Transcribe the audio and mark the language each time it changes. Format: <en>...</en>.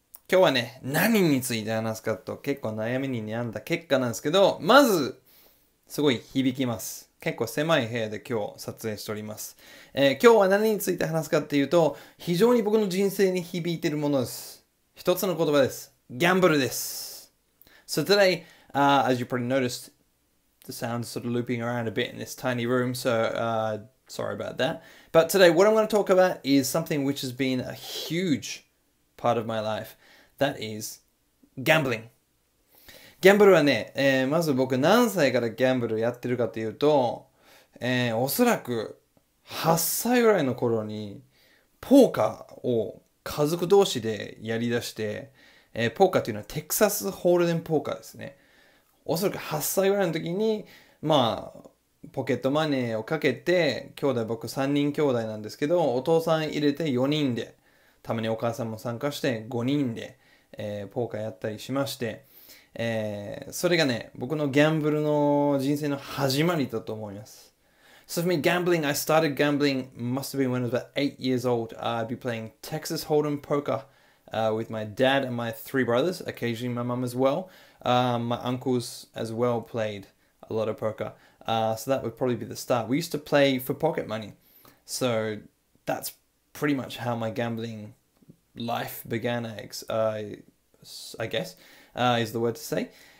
<ja>今日はね、何について話すかと結構悩みに悩んだ結果なんですけど、まず、すごい響きます。結構狭い部屋で今日撮影しております。今日は何について話すかっていうと、非常に僕の人生に響いているものです。一つの言葉です。ギャンブルです。</ja> <en>So today, as you probably noticed,The sound's sort of looping around a bit in this tiny room, so sorry about that. But today, what I'm going to talk about is something which has been a huge part of my life. That is gambling.</en> <ja>Gambler はね、まず僕何歳からギャンブルやってるかというと、おそらく8歳ぐらいの頃にポーカーを家族同士でやりだして、ポーカーというのはテキサスホールデンポーカーですね。おそらく8歳ぐらいの時に、まあ、ポケットマネーをかけて、兄弟、僕3人兄弟なんですけど、お父さん入れて4人で、たまにお母さんも参加して5人で、ポーカーやったりしまして、それがね、僕のギャンブルの人生の始まりだと思います。</ja> <en>So for me, gambling, I started gambling, must have been when I was about 8 years old. I'd be playing Texas Hold'em poker, with my dad and my three brothers, occasionally my mum as well. My uncles as well played a lot of poker. So that would probably be the start. We used to play for pocket money. So that's pretty much how my gambling life began, I guess, is the word to say.</en>